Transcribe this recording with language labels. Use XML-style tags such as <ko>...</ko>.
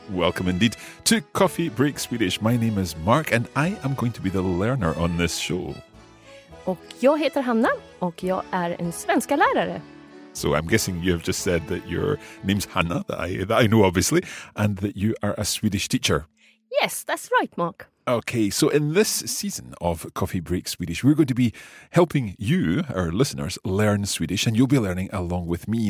<en>Welcome indeed to Coffee Break Swedish. My name is Mark and I am going to be the learner on this show.</en> <sv>Och jag heter Hanna och jag är en svenska lärare.</sv> <en>So I'm guessing you have just said that your name's Hanna, that I know obviously, and that you are a Swedish teacher. Yes, that's right, Mark. Okay, so in this season of Coffee Break Swedish, we're going to be helping you, our listeners, learn Swedish, and you'll be learning along with me.</en>